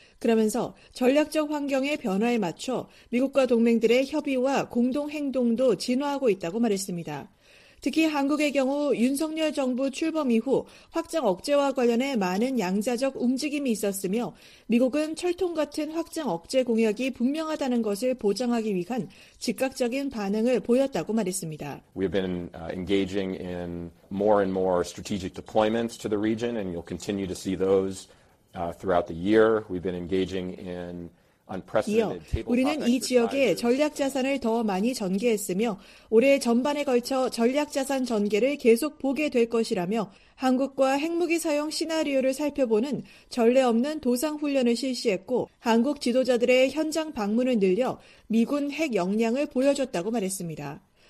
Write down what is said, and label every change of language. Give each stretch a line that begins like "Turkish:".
Korean: 그러면서 전략적 환경의 변화에 맞춰 미국과 동맹들의 협의와 공동행동도 진화하고 있다고 말했습니다. 특히 한국의 경우 윤석열 정부 출범 이후 확장 억제와 관련해 많은 양자적 움직임이 있었으며 미국은 철통 같은 확장 억제 공약이 분명하다는 것을 보장하기 위한 즉각적인 반응을 보였다고 말했습니다.
English: We've been engaging in more and more strategic deployments to the region and you'll continue to see those throughout the year. We've been engaging in
Korean: 이어 우리는 이 지역에 전략자산을 더 많이 전개했으며 올해 전반에 걸쳐 전략자산 전개를 계속 보게 될 것이라며 한국과 핵무기 사용 시나리오를 살펴보는 전례 없는 도상훈련을 실시했고 한국 지도자들의 현장 방문을 늘려 미군 핵 역량을 보여줬다고 말했습니다.